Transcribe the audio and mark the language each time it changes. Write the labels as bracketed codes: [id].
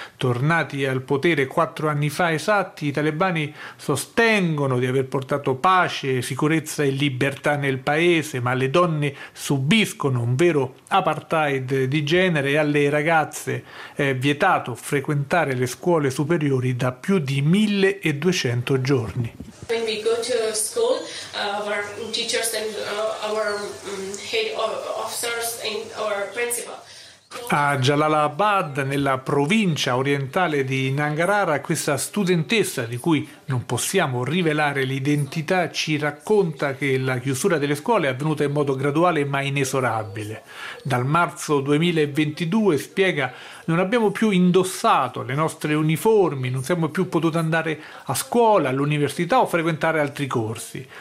[it] Tornati al potere 4 anni fa esatti, i talebani sostengono di aver portato pace, sicurezza e libertà nel paese, ma le donne subiscono un vero apartheid di genere e alle ragazze è vietato frequentare le scuole superiori da più di 1200 giorni. [en] When we go to school, our teachers and our head officers and our principal. [it] A Jalalabad, nella provincia orientale di Nangarhara, questa studentessa, di cui non possiamo rivelare l'identità, ci racconta che la chiusura delle scuole è avvenuta in modo graduale ma inesorabile. Dal marzo 2022, spiega, non abbiamo più indossato le nostre uniformi, non siamo più potuti andare a scuola, all'università o frequentare altri corsi.